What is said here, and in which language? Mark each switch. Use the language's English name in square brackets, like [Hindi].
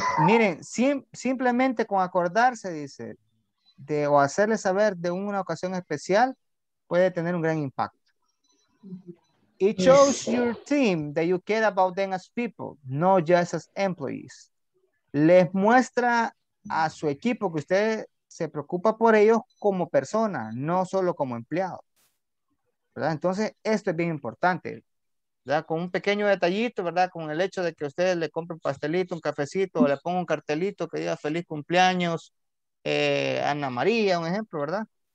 [Spanish] Miren, simplemente con acordarse, dice, de, o hacerle saber de una ocasión especial, puede tener un gran impacto. [English] It shows your team that you care about them as people, not just as employees. [Spanish] Les muestra a su equipo que usted se preocupa por ellos como persona, no solo como empleado. ¿Verdad? Entonces, esto es bien importante. ¿Verdad? Con un pequeño detallito, ¿verdad? Con el hecho de que ustedes le compren pastelito, un cafecito, o le pongan un cartelito que diga feliz cumpleaños, Ana María, un ejemplo, ¿verdad?